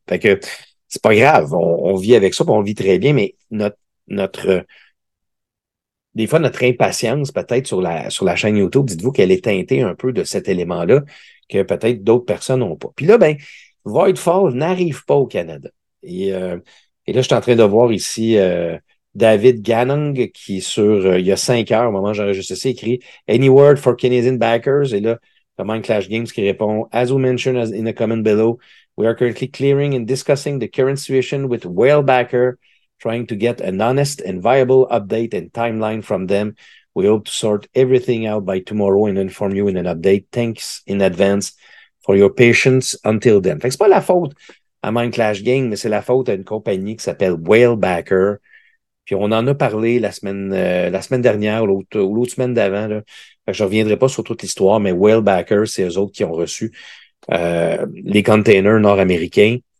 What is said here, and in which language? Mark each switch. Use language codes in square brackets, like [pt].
[fr] Fait que c'est pas grave, on vit avec ça, puis on vit très bien, mais des fois, notre impatience, peut-être sur la chaîne YouTube, dites-vous qu'elle est teintée un peu de cet élément-là, que peut-être d'autres personnes n'ont pas. Puis là, ben, Voidfall n'arrive pas au Canada. Et là, je suis en train de voir ici David Ganong qui, il y a 5 heures, au moment où j'enregistre ça, écrit [en] Any word for Canadian backers? [fr] Et là, comment Clash Games qui répond [en] As we mentioned in the comment below, we are currently clearing and discussing the current situation with Whale Backer, trying to get an honest and viable update and timeline from them. We hope to sort everything out by tomorrow and inform you in an update. Thanks in advance for your patience until then. [fr] Fait que c'est pas la faute à Mindclash Gang, mais c'est la faute à une compagnie qui s'appelle Whalebacker. Puis on en a parlé la semaine dernière ou l'autre semaine d'avant. Là. Fait que je reviendrai pas sur toute l'histoire, mais Whalebacker, c'est eux autres qui ont reçu les containers nord-américains.